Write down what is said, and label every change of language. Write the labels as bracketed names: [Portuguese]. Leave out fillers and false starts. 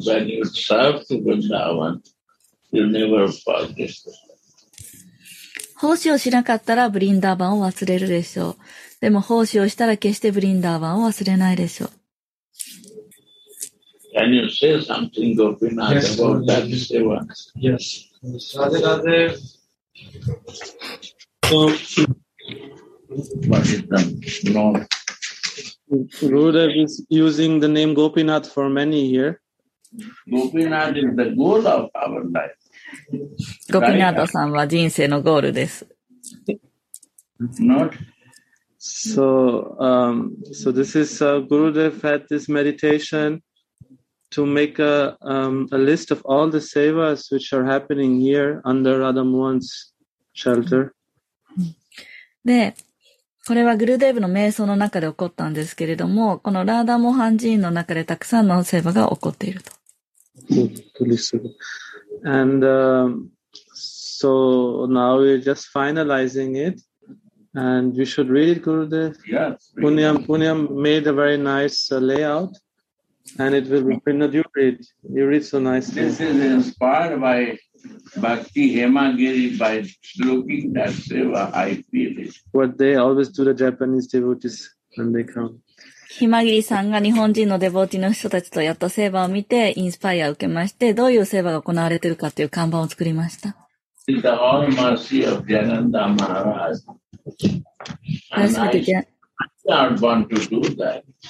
[English] When you serve to Vrindavan, you never forget it. [Japanese] 奉仕をしなかったらブリンダーバンを忘れるでしょう。でも奉仕をしたら決してブリンダーバンを忘れないでしょう。 [English] Can you say something, Gopinath, yes, about that seva? Yes. Radhe Radhe. So, Gurudev is using the name Gopinath for many years. Gopinath is the goal of our life. [Japanese] ゴピナートさんは人生のゴールです。 [English] So, so this is Gurudev had this meditation to make a list of all the sevas which are happening here under Radha Mohan's shelter. [Japanese] で、これはグルデーブの瞑想の中で起こったんですけれども、このラーダモハン寺院の中でたくさんのセーバが起こっていると。 [English] And so now we're just finalizing it, and we should read it, Gurudev. Yes. Puniam, Puniam made a very nice layout, and it will be printed. You read. You read so nicely. This is inspired by Bhakti Hemagiri by looking that seva. I feel it. What they always do, the Japanese devotees when they come. [Japanese] ひまぎりさんが日本人のデボーティの人たちとやったセーバーを見てインスパイアを受けまして、どういうセーバーが行われているかという看板を作りました。 [English] The All Mercy of Jananda Maharaj. And I don't want to do that.